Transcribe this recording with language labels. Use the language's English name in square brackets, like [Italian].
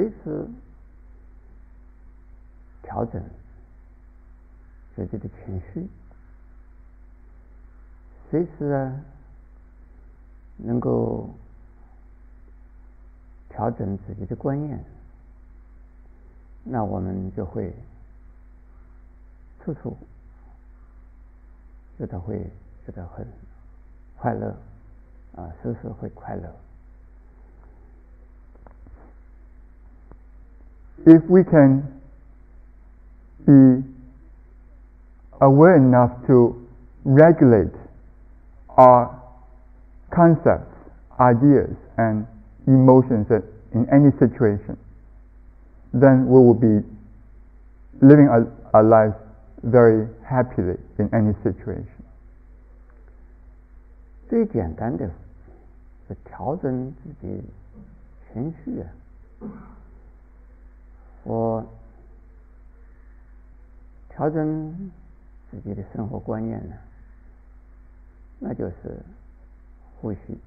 [English] If we can [Chinese] 自己的情绪，随时啊能够调整自己的观念，那我们就会处处觉得很快乐啊，时时会快乐。 [English] If we can be aware enough to regulate our concepts, ideas, and emotions in any situation, then we will be living our lives very happily in any situation. [Chinese] 最简单的是调整自己情绪啊，我调整自己的生活观念呢，那就是呼吸。